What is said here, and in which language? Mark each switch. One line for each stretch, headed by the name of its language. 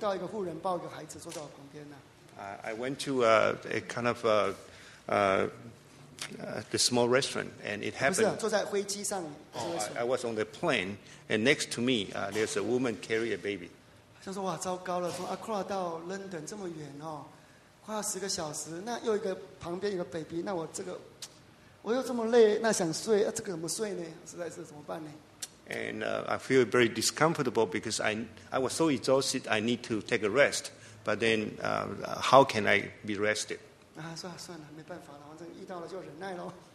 Chinese: 那坐在那个经济舱里面呢，旁边啊，要就是怎么那么凑巧，旁边又遇到一个妇人抱一个孩子坐在我旁边呢。
English: I went to a kind of the small restaurant, and it happened.
Chinese: 不是，坐在飞机上。
English: I was on the plane, and next to me, there's a woman carrying a baby.
Chinese: 想说哇，糟糕了，从 Accra 到 London 这么远哦，快要10个小时，那又一个旁边有个 baby， 那我这个我又这么累，那想睡，这个怎么睡呢？实在是怎么办呢？
English: And I feel very discomfortable because I was so exhausted, I need to take a rest. But then, how can I be rested?
Chinese: 啊，算了，没办法了，反正遇到了就忍耐喽。